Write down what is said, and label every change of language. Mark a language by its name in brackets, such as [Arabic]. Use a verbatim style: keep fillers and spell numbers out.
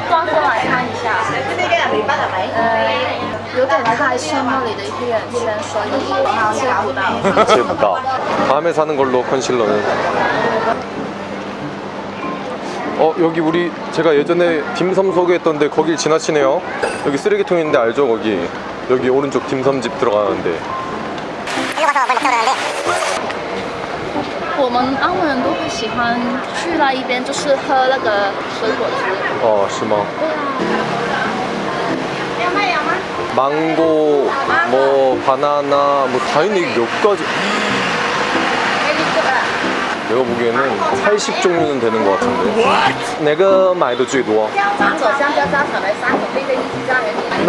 [Chinese] 光过来看一下，有点太深了，你的黑眼圈，所以你看不到。 [Korean] 제보다 밤에 사는 걸로 컨실러는. 어 여기 우리 제가 예전에 딤섬 소개했던데 거길 지나치네요. 여기 쓰레기통 있는데 알죠? 거기 여기 오른쪽 딤섬집 들어가는데. [Chinese] 我们澳门人都会喜欢去那一边，就是喝那个水果汁。 어, 是吗? 对啊。 [Korean] 망고, 뭐 바나나, 뭐 다 있네. 이게 몇 가지? 내가 보기에는 팔십 종류는 되는 것 같은데. 내가 말도 쥐도. [Chinese] 香蕉、香蕉、香蕉、草莓、三种，这个一起加人民币。